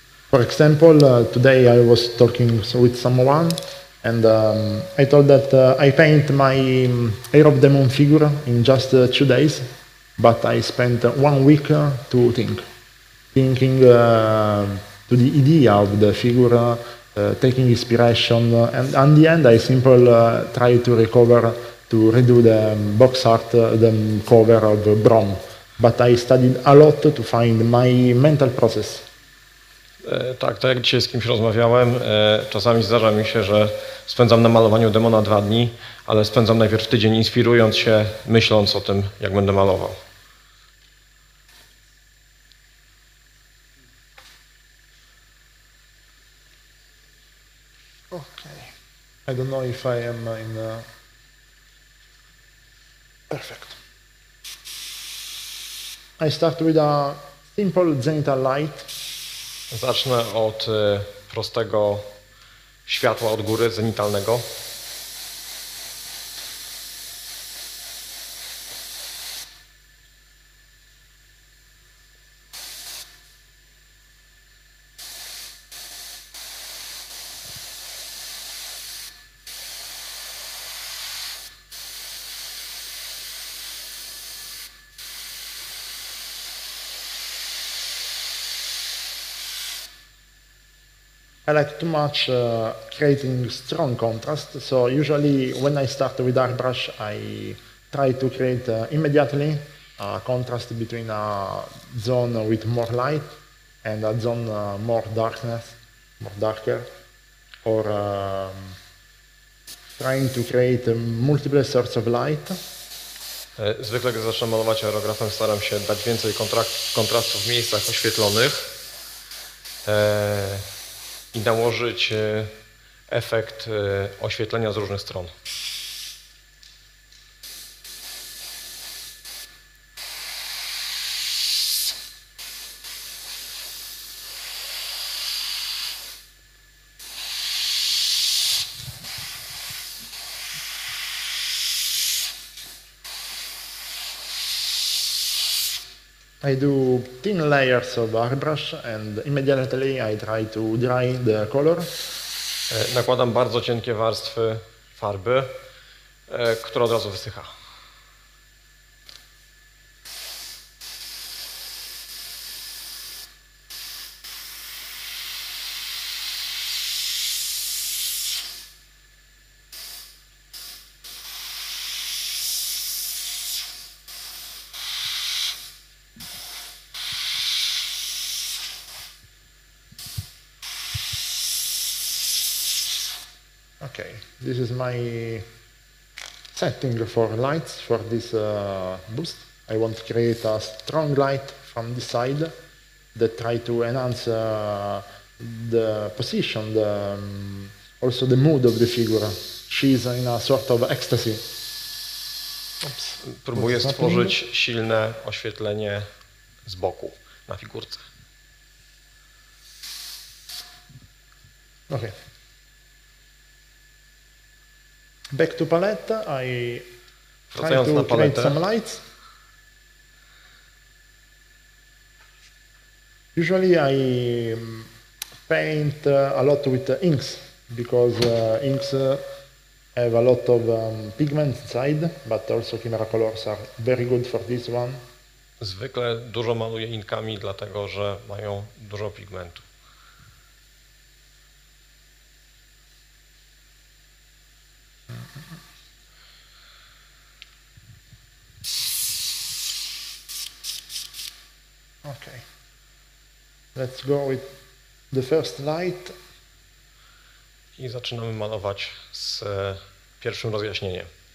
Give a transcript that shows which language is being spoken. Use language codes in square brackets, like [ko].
[en] For example, today I was talking with someone and I told that I paint my Air of the Moon figure in just 2 days, but I spent 1 week to thinking to the idea of the figure, taking inspiration, and in the end I simply try to recover, to redo the box art, the cover of Brom. But I studied a lot to find my mental process. [pl] Tak, to jak dzisiaj z kimś rozmawiałem, czasami zdarza mi się, że spędzam na malowaniu demona 2 dni, ale spędzam najpierw tydzień inspirując się, myśląc o tym, jak będę malował. [en] I don't know if I am in a... Perfect. I start with a simple zenithal light. [pl] Zacznę od prostego światła od góry, zenitalnego. [en] I like too much creating strong contrast. So usually when I start with airbrush, I try to create immediately a contrast between a zone with more light and a zone more darkness, more darker, or trying to create multiple sorts of light. [pl] Zwykle, gdy zaczynam malować aerografem, staram się dać więcej kontrastów w miejscach oświetlonych. I nałożyć efekt oświetlenia z różnych stron. [en] I do thin layers of airbrush and immediately I try to dry the color. [pl] Nakładam bardzo cienkie warstwy farby, która od razu wysycha. [en] This is my setting for lights for this boost. I want to create a strong light from this side that try to enhance the position, the, also the mood of the figure. She's in a sort of ecstasy. Oops. [pl] Próbuję stworzyć silne oświetlenie z boku na figurce. [en] Okay. Back to palette, I try to create some lights. Usually I paint a lot with inks, because inks have a lot of pigments inside, but also Chimera colors are very good for this one. [pl] Zwykle dużo maluję inkami, dlatego że mają dużo pigmentu. [en] Okay. Let's go with the first light. [pl] I zaczynamy malować z pierwszym rozjaśnieniem.